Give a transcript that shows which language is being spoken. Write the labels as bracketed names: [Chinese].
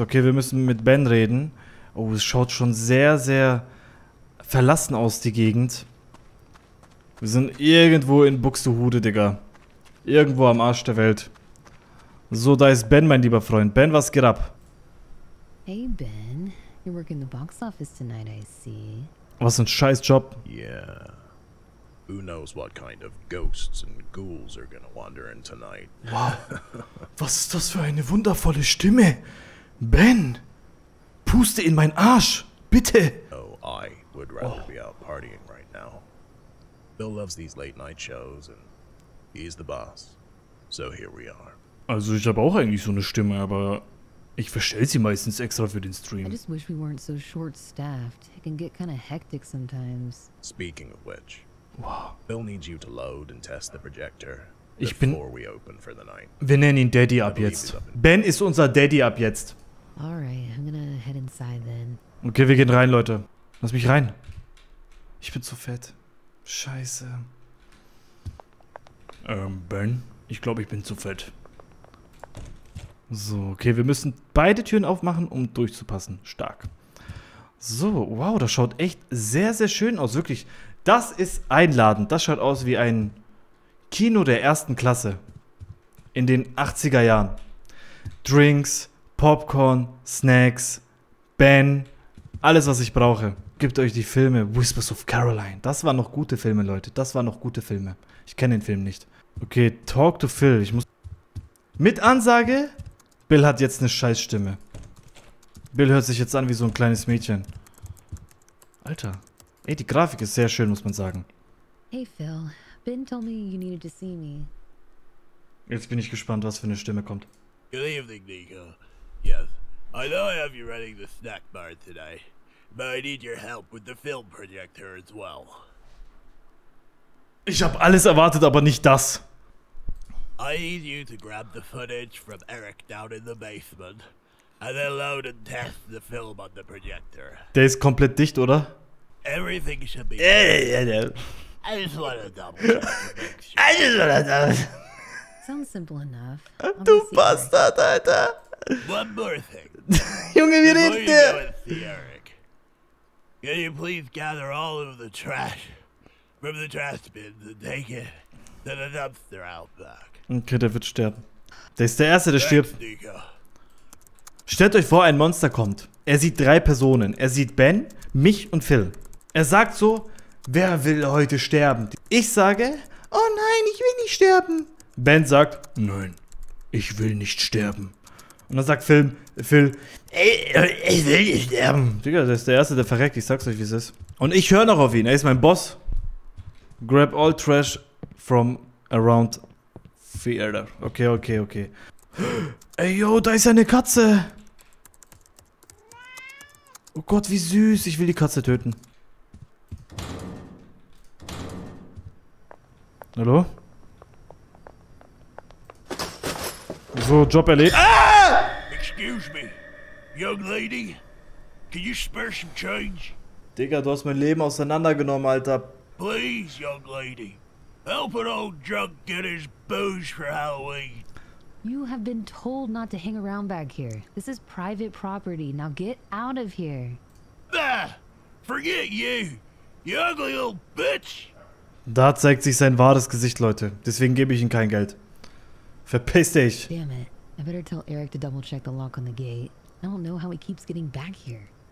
[German] Okay, wir müssen mit Ben reden. Oh, es schaut schon sehr, sehr verlassen aus, die Gegend. Wir sind irgendwo in Buxtehude, Digga. Irgendwo am Arsch der Welt. So, da ist Ben, mein lieber Freund. Ben, was geht ab? Hey, Ben. [English] You work in the box office tonight, I see. [German] Was ein scheiß Job. [English] Yeah. Who knows what kind of ghosts and ghouls are gonna wander in tonight. Wow. [German] Was ist das für eine wundervolle Stimme? Ben! Puste in meinen Arsch! Bitte! [English] Oh, I would rather be out partying right now. Bill loves these late night shows and he's the boss. So here we are. [German] Also ich habe auch eigentlich so eine Stimme, aber ich verstell sie meistens extra für den Stream. [English] I just wish we weren't so short-staffed. It can get kind of hectic sometimes. Speaking of which... Wow. Bill needs you to load and test the projector. [German] Ich bin... Wir nennen ihn Daddy ab jetzt. Ben ist unser Daddy ab jetzt. Okay, wir gehen rein, Leute. Lass mich rein. Ich bin zu fett. Scheiße. Ben? Ich glaube, ich bin zu fett. So, okay, wir müssen beide Türen aufmachen, um durchzupassen. Stark. So, wow, das schaut echt sehr, sehr schön aus. Wirklich... Das ist einladend. Das schaut aus wie ein Kino der ersten Klasse in den 80er Jahren. Drinks, Popcorn, Snacks, Ben, alles was ich brauche. Gebt euch die Filme. Whispers of Caroline. Das waren noch gute Filme, Leute. Das waren noch gute Filme. Ich kenne den Film nicht. Okay, Talk to Phil. Ich muss... Mit Ansage? Bill hat jetzt eine scheiß Stimme. Bill hört sich jetzt an wie so ein kleines Mädchen. Alter. Ey, die Grafik ist sehr schön, muss man sagen. [English] Hey Phil, Ben told me you needed to see me. [German] Jetzt bin ich gespannt, was für eine Stimme kommt. [English] Good evening, Nico. Yes, I know I have you running the snack bar today, but I need your help with the film projector as well. [German] Ich habe alles erwartet, aber nicht das. [English] I need you to grab the footage from Eric down in the basement and then load and test the film on the projector. [German] Der ist komplett dicht, oder? [English] Everything should be. Yeah. I just want to double. I just want to double. Sounds simple enough. [German] Du Bastard, Alter. [English] One more thing. [German] Junge, wir reden dir. [English] Can you please gather all of the trash from the trash bins and take it to the dumpster out back? [German] Okay, der wird sterben. Der ist der Erste, der stirbt. Nico. Stellt euch vor, ein Monster kommt. Er sieht drei Personen. Er sieht Ben, mich und Phil. Er sagt so, wer will heute sterben? Ich sage, oh nein, ich will nicht sterben. Ben sagt, nein, ich will nicht sterben. Und dann sagt Phil, ich will nicht sterben. Digga, das ist der Erste, der verreckt. Ich sag's euch, wie es ist. Und ich höre noch auf ihn. Er ist mein Boss. [English] Grab all trash from around theater. [German] Okay, okay, okay. Ey, yo, da ist eine Katze. Oh Gott, wie süß. Ich will die Katze töten. Hallo? So, Job erledigt. [English] Excuse me, young lady. Can you spare some change? [German] Digga, du hast mein Leben auseinandergenommen, Alter. [English] Please, young lady. Help an old drunk get his booze for Halloween. You have been told not to hang around back here. This is private property. Now get out of here. Bah! Forget you! You ugly old bitch! [German] Da zeigt sich sein wahres Gesicht, Leute. Deswegen gebe ich ihm kein Geld. Verpiss dich! [English] Damn it. I better tell Eric to double check the lock on the gate. I don't know how he keeps getting back here.